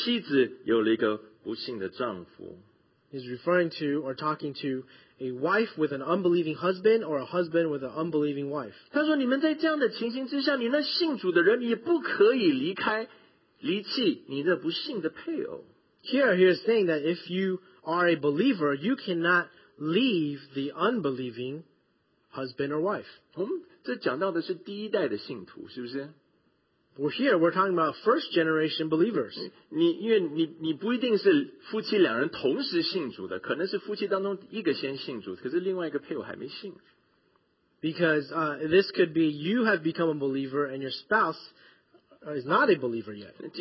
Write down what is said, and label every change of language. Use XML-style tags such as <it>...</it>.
<zh>是不是他说如果有一个弟兄有一个不信的妻子，或他说如果有一个妻子有了一个不信的丈夫？</zh> <en>He's referring to or talking to a wife with an unbelieving husband or a husband with an unbelieving wife.</en> <zh>他说你们在这样的情形之下，你那信主的人也不可以离开，离弃你的不信的配偶。</zh> <en>Here he is saying that if you are a believer, you cannot leave the unbelieving husband or wife.</en> <zh>这讲到的是第一代的信徒，是不是？</zh> <en>We're here, we're talking about first generation believers.</en> <zh>因为你不一定是夫妻两人同时信主的，可能是夫妻当中一个先信主，可是另外一个配偶还没信。</zh> <en>Because this could be you have become a believer and your spouse is not a believer yet.</en>